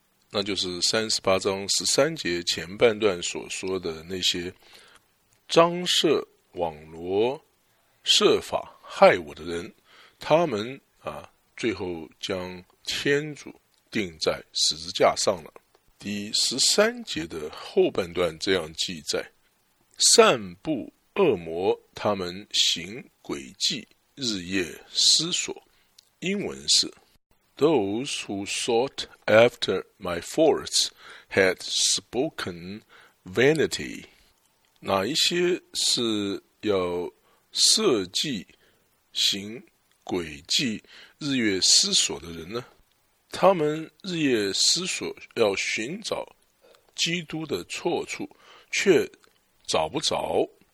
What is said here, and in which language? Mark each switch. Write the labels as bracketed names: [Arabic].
[Chinese] 那就是38章13节前半段所说的那些张设网罗设法害我的人，他们啊，最后将天主钉在十字架上了。第13节的后半段这样记载，散布恶魔，他们行诡计，日夜思索。英文是 [English] Those who sought after my faults had spoken vanity。 [Chinese] 哪一些是要设计行诡计，日夜思索的人呢？他们日夜思索要寻找基督的错处，却找不着。